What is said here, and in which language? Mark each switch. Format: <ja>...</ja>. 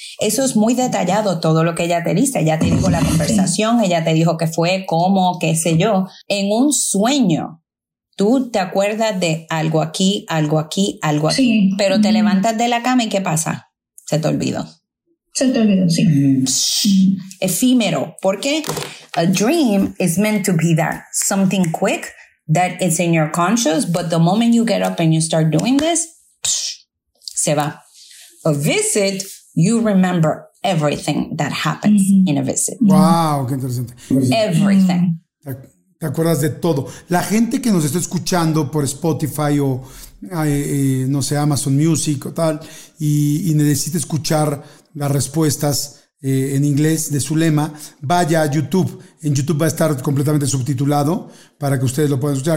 <es>Eso es muy detallado, todo lo que ella te dice. Ella te dijo la conversación, ella te dijo qué fue, cómo, qué sé yo. En un sueño, tú te acuerdas de algo aquí, algo aquí, algo aquí. Sí. Pero mm-hmm te levantas de la cama y ¿qué pasa? Se te olvidó. Se te olvidó, sí. Mm-hmm. Efímero, porque</es> <en>a dream is meant to be that something quick that is in your conscious, but the moment you get up and you start doing this,</en> <es>se va.</es> <en>A visit, you remember everything that happens mm-hmm in a visit.</en> <es>Wow, qué interesante.</es> <en>Everything.</en> <es>Te acuerdas de todo. La gente que nos está escuchando por Spotify o no sé, Amazon Music o tal, y necesita escuchar las respuestas en inglés de Zulema, vaya a YouTube. En YouTube va a estar completamente subtitulado para que ustedes lo puedan escuchar.</es>